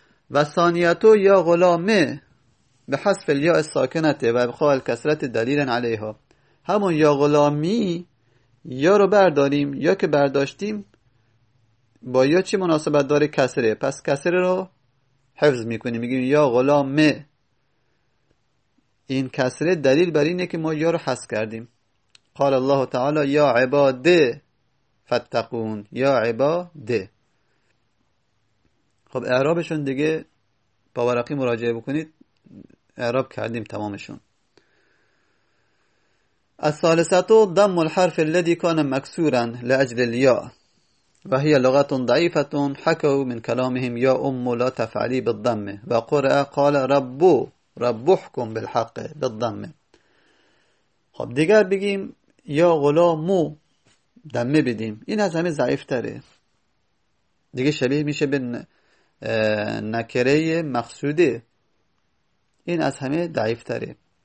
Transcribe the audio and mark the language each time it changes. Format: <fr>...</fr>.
<ar>و ثانیتو یا غلامه به حذف الیاء ساکنته و ابقاء الکسره دلیلا علیها،</ar> <fa>همون یا غلامی یا رو برداریم، یا که برداشتیم با یا چی مناسبت داره؟ کسره، پس کسره رو حفظ میکنیم، میگیم یا غلامه، این کسره دلیل بر اینه که ما یا رو حذف کردیم.</fa> <ar>قال الله تعالی یا عباده فتقون، یا عباده،</ar> <fa>خب اعرابشون دیگه باورقی مراجعه بکنید، اعراب کردیم تمامشون.</fa> <ar>الثالثه ضم الحرف الذي كان مكسورا لاجل الياء وهي لغه ضعيفه حكوا من كلامهم يا ام لا تفعلي بالضم وقرأ قال ربو ربحكم بالحق بالضم.</ar> <fa>خب دیگر بگیم یا غلامو دمه بدیم، این از همه ضعیفتره، دیگه شبیه میشه به نکره مقصوده، این از همه ضعیفتره.</fa>